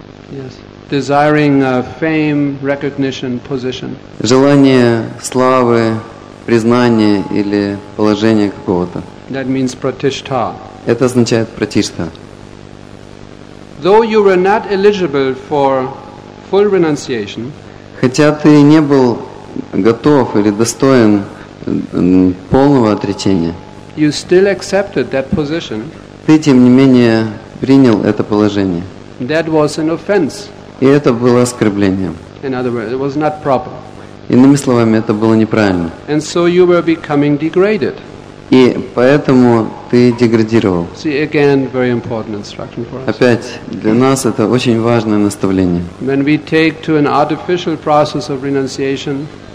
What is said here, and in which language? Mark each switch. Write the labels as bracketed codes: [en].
[en] Yes. desiring fame, recognition, position. [ru] Желание славы, признания или положения какого-то. [en] That means pratishtha. [ru] Это означает пратишта. [en] Though you were not eligible for full renunciation, [ru] хотя ты не был готов или достоин полного отречения, [en] you still accepted that position. [ru] Ты тем не менее принял это положение. [en] That was an offense. [ru] И это было оскорблением. [en] In other words, it was not proper. [ru] Иными словами, это было неправильно. [en] And so you were becoming degraded. [ru] И поэтому ты деградировал. [en] See, again, very important instruction for us. [ru] Опять, для нас это очень важное наставление. [en] When we take to an artificial process of renunciation,